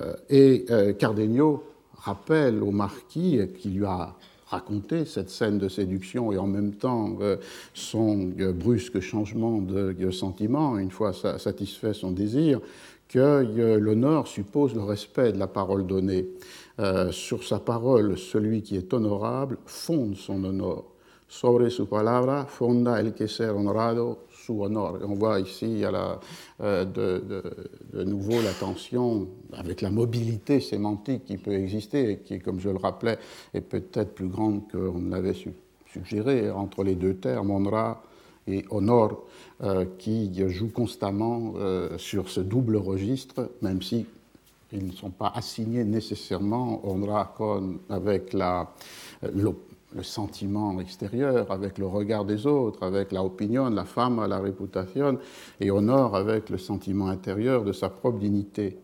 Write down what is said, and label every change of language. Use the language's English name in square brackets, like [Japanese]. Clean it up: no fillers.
[French] Et Cardenio rappelle au marquis qui lui a raconter cette scène de séduction et en même temps son brusque changement de sentiment, une fois satisfait son désir, que l'honneur suppose le respect de la parole donnée. Sur sa parole, celui qui est honorable fonde son honneur. [Spanish] Sobre su palabra fonda el que ser honrado su honor. [French] On voit ici de nouveau la tension avec la mobilité sémantique qui peut exister et qui, comme je le rappelais, est peut-être plus grande qu'on l'avait suggéré entre les deux termes, honra et honor, qui jouent constamment sur ce double registre, même si ils ne sont pas assignés nécessairement honra con avec le sentiment extérieur, avec le regard des autres, avec la opinion, [Spanish] la fama, la reputación, [French] et honor avec le sentiment intérieur de sa propre dignité.